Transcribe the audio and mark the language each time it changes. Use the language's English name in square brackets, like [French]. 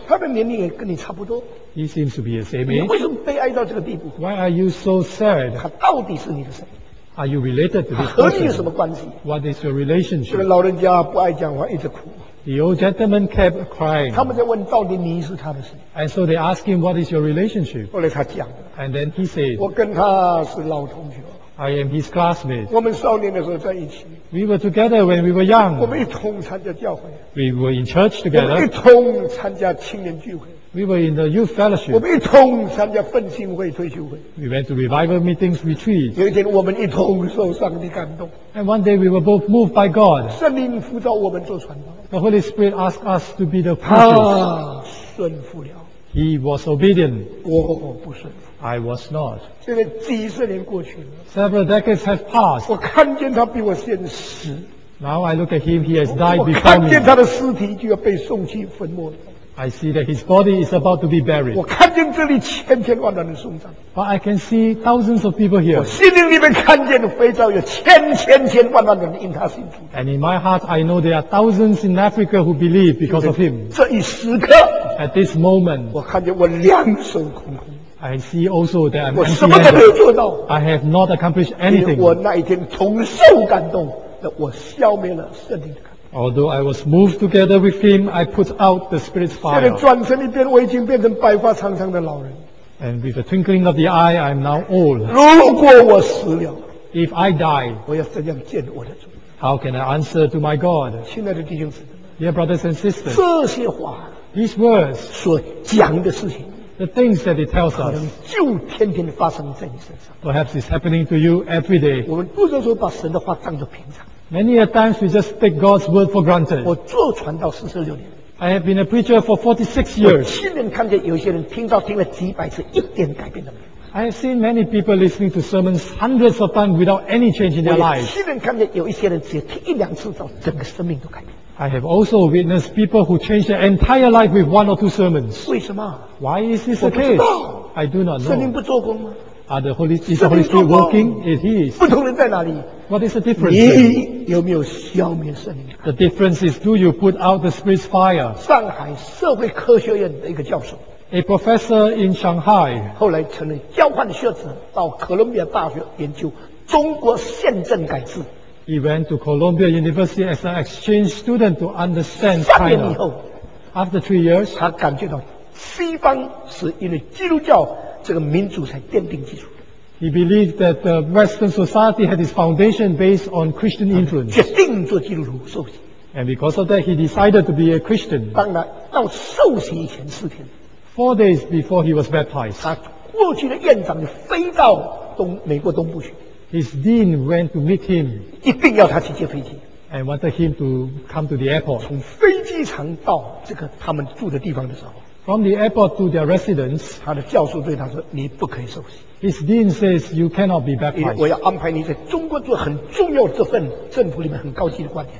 [Chinese] 他的年龄也跟你差不多。 [English] He seems to be the same age. [Chinese] 你为什么悲哀到这个地步？ [English] Why are you so sad? [Chinese] 他到底是你的谁？ [English] Are you related to this person? [Chinese] 和你有什么关系？ [English] What is your relationship? [Chinese] 这个老人家不爱讲话，一直哭。 [English] The old gentleman kept crying. [Chinese] 他们在问到底你是他的谁？ [English] And so they ask him, what is your relationship? [Chinese] 后来他讲。 [English] And then he said, [Chinese] 我跟他是老同学。 [English] I am his classmate. [Chinese] 我们少年的时候在一起。 [English] We were together when we were young. [Chinese] 我们一同参加教会。 [English] We were in church together. [Chinese] 我们一同参加青年聚会。 [English] We were in the youth fellowship. [Chinese] 我们一同参加奋兴会退休会。 [English] We went to revival meetings retreat. [Chinese] 有一天我们一同受上帝感动。 [English] And one day we were both moved by God. [Chinese] 圣灵辅导我们做传道。 [English] The Holy Spirit asked us to be the preachers. [Chinese] 他顺服了。 [English] He was obedient. [Chinese] 我不顺服。 [English] I was not. [Chinese] 现在几十年过去了。 [English] Several decades have passed. [Chinese] 我看见他比我先死。 [English] Now I look at him, he has died before me. [Chinese] 我看见他的尸体就要被送去坟墓。 [English] I see that his body is about to be buried. [Chinese] 我看见这里千千万万的送葬。 [English] But I can see thousands of people here. [Chinese] 我心灵里面看见非洲有千千千万万人因他信主。 [English] And in my heart, I know there are thousands in Africa who believe because of him. [Chinese] 这一时刻。 [English] At this moment. [Chinese] 我看见我两手空空。 [English] I see also that I'm empty-handed. [Chinese] 我什么都没有做到。 [English] I have not accomplished anything. [Chinese] 我那一天从受感动，但我消灭了圣灵的感动。 [English] Although I was moved together with him, I put out the Spirit's fire. [Chinese] 现在转身一边，我已经变成白发苍苍的老人。 [English] And with a twinkling of the eye, I'm now old. [Chinese] 如果我死了， [English] if I die, [Chinese] 我要怎样见我的主？ [English] How can I answer to my God? [Chinese] 亲爱的弟兄姊妹， [English] dear brothers and sisters, [Chinese] 这些话， [English] these words [Chinese] 所讲的事情， [English] the things that it tells us, [Chinese] 可能就天天发生在你身上。 [English] Perhaps it's happening to you every day. [Chinese] 我们不能说把神的话当作平常。 [English] Many a times we just take God's word for granted. [Chinese] 我做传道46年。 [English] I have been a preacher for 46 years. [Chinese] 我亲眼看见有些人听到听了几百次，一点改变都没有。 [English] I have seen many people listening to sermons hundreds of times without any change in their lives. [Chinese] 我亲眼看见有一些人只听一两次，到整个生命都改变。 [English] I have also witnessed people who changed their entire life with one or two sermons. [Chinese] 为什么？ [English] Why is this the case? [Chinese] 我不知道。 [English] I do not know. [Chinese] 圣灵不做工吗？ [English] Are the Holy, is the Holy Spirit working? It is. [Chinese] 不同人在哪里？ [English] What is the difference? [Chinese] 你有没有消灭圣灵？ [English] The difference is, do you put out the Spirit's fire? [Chinese] 上海社会科学院的一个教授， [English] A professor in Shanghai. [Chinese] 后来成了交换学者，到哥伦比亚大学研究中国宪政改制。 [English] He went to Columbia University as an exchange student to understand China. After 3 years, [Chinese] 他感觉到西方是因为基督教这个民主才奠定基础。 [English] He believed that the Western society had its foundation based on Christian influence. [Chinese] 决定做基督徒受洗。 [English] And because of that, he decided to be a Christian. [Chinese] 当然，到受洗前四天。 [English] 4 days before he was baptized. [Chinese] 他过去的院长就飞到美国东部去。 [English] His dean went to meet him. [Chinese] 一定要他去接飞机。 [English] And wanted him to come to the airport. [Chinese] 从飞机场到这个他们住的地方的时候。 [English] From the airport to their residence. [Chinese] 他的教授对他说，你不可以受洗。 [English] His dean says, you cannot be baptized. [Chinese] 我要安排你在中国做很重要这份政府里面很高级的官员。